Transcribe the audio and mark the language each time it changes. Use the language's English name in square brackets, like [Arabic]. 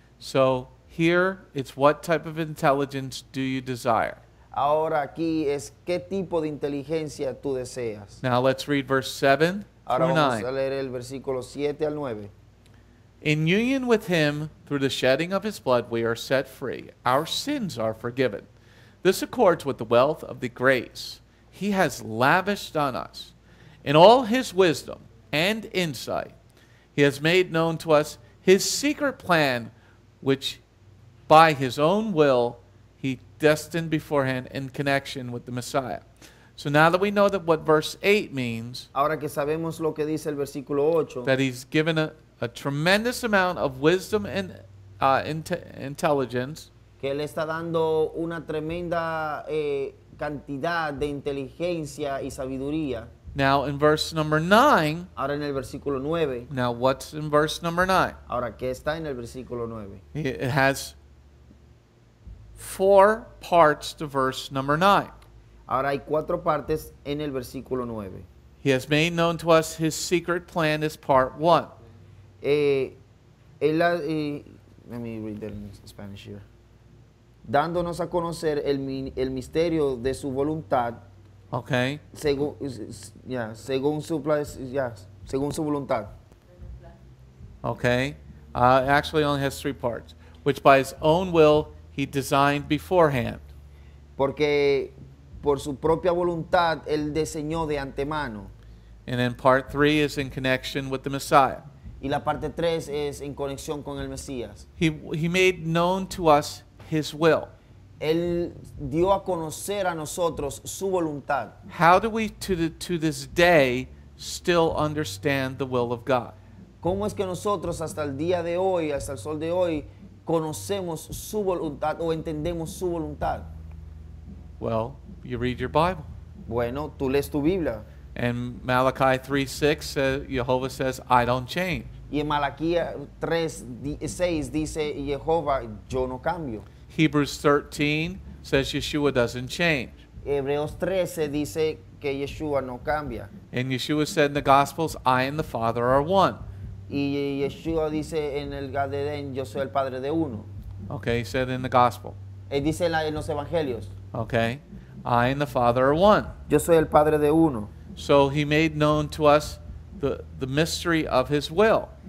[English] So here it's what type of intelligence do you desire? [Spanish] Ahora aquí es qué tipo de inteligencia tú deseas. [English] Now let's read verse 7 through [Spanish] Ahora vamos a leer el versículo 7 al 9. [English] In union with him, through the shedding of his blood, we are set free. Our sins are forgiven. This accords with the wealth of the grace he has lavished on us. In all his wisdom and insight, he has made known to us his secret plan, which by his own will he destined beforehand in connection with the Messiah. So now that we know that what verse 8 means, [Spanish] ahora que sabemos lo que dice el versículo 8, [English] that he's given a tremendous amount of wisdom and intelligence, [Spanish] que él está dando una tremenda cantidad de inteligencia y sabiduría. [English] Now in verse number 9, [Spanish] ahora en el versículo 9, [English] now what's in verse number 9? [Spanish] Ahora, ¿qué está en el versículo 9? [English] It has 4 parts to verse number 9. [Spanish] Ahora hay 4 partes en el versículo 9. [English] He has made known to us his secret plan is part 1. Let me read that in Spanish here. [Spanish] Dándonos a conocer el misterio de su voluntad. [English] Okay. [Spanish] Según su voluntad. [English] Okay. Actually, only has three parts. Which by his own will he designed beforehand. [Spanish] Porque por su propia voluntad él diseñó de antemano. [English] And then part three is in connection with the Messiah. [Spanish] Y la parte tres es en conexión con el Mesías. [English] He made known to us his will. [Spanish] Él dio a conocer a nosotros su voluntad. [English] How do we to this day still understand the will of God? [Spanish] ¿Cómo es que nosotros hasta el día de hoy, hasta el sol de hoy, conocemos su voluntad o entendemos su voluntad? [English] Well, you read your Bible. [Spanish] Bueno, tú lees tu Biblia. [English] And Malachi 3:6 says, Yehovah says, I don't change. [Spanish] Y en Malaquías 3:6 dice, Yehovah, yo no cambio. [English] Hebrews 13 says Yeshua doesn't change. [Spanish] Hebreos 13 dice que Yeshua no cambia. [English] And Yeshua said in the Gospels, I and the Father are one. [Spanish] Y Yeshua dice en el Gadarén, yo soy el Padre de uno. [English] Okay, he said in the Gospel. [Spanish] Él dice en los Evangelios. [English] Okay, I and the Father are one. [Spanish] Yo soy el Padre de uno. [English] So he made known to us the mystery of his will.